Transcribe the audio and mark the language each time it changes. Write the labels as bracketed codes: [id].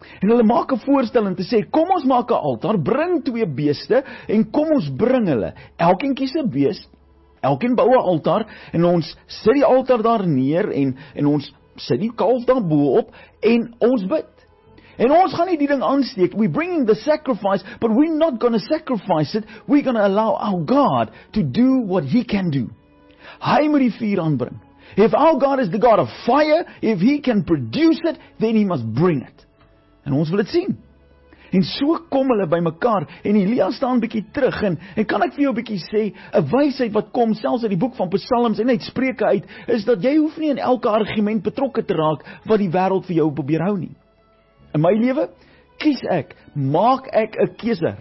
[af] En hulle maak 'n voorstelling om te sê, kom ons maak 'n altaar, bring 2 beeste en kom ons bring hulle. Elkeen kies 'n beest, elkeen bou 'n altaar en ons sit die altaar daar neer en ons sit die kalf daar bo op en ons bid. En ons gaan nie die ding aansteek. [en] We bringing the sacrifice, but we're not going to sacrifice it. We're going to allow our God to do what he can do. [af] Hy moet die vuur aanbring. [en] If our God is the God of fire, if he can produce it, then he must bring it. [af] En ons wil dit sien. En so kom hulle by mekaar en Elia staan bietjie terug en kan ek vir jou bietjie sê, 'n wysheid wat kom selfs uit die boek van Psalms en uit Spreuke uit, is dat jy hoef nie in elke argument betrokke te raak wat die wêreld vir jou probeer hou nie. In my lewe kies ek, maak ek 'n keuse.